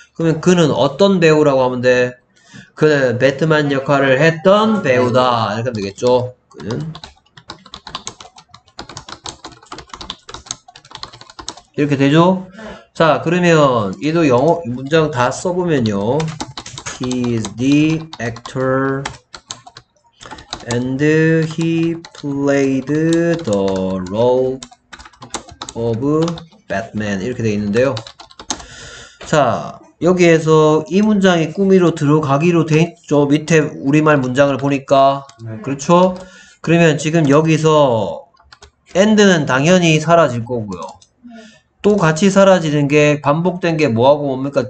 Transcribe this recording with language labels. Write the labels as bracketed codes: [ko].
[ko] 그러면 그는 어떤 배우라고 하면 돼? 그는 배트맨 역할을 했던 배우다 이렇게 하면 되겠죠. 그는 이렇게 되죠? 자 그러면 얘도 영어 문장 다 써보면요. [en] He is the actor and he played the role of Batman [ko] 이렇게 되어 있는데요. 자 여기에서 이 문장이 꾸미로 들어가기로 되어 있죠. 밑에 우리말 문장을 보니까 네. 그렇죠? 그러면 지금 여기서 and는 당연히 사라질 거고요. 또 같이 사라지는 게 반복된 게 뭐하고 뭡니까?